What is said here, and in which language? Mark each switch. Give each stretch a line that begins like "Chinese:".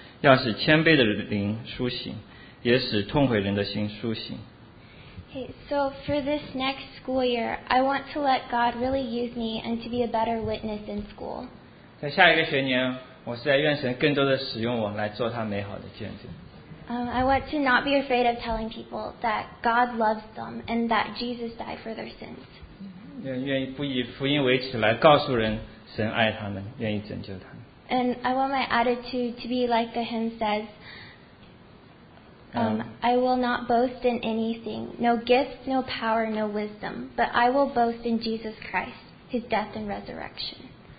Chinese: 要使谦卑的灵苏醒，也使痛悔人的心苏醒。
English: Okay, so for this next school year, I want to let God really use me and to be a better witness in school.
Chinese: 在下一个学年，我是在愿神更多的使用我来做他美好的见证。
English: I want to not be afraid of telling people that God loves them and that Jesus died for their sins.
Chinese: 愿意不以福音为耻来告诉人神爱他们，愿意拯救他们。
English: And I want my attitude to be like the hymn says, I will not boast in anything, no gifts, no power, no wisdom, but I will boast in Jesus Christ, His death and resurrection.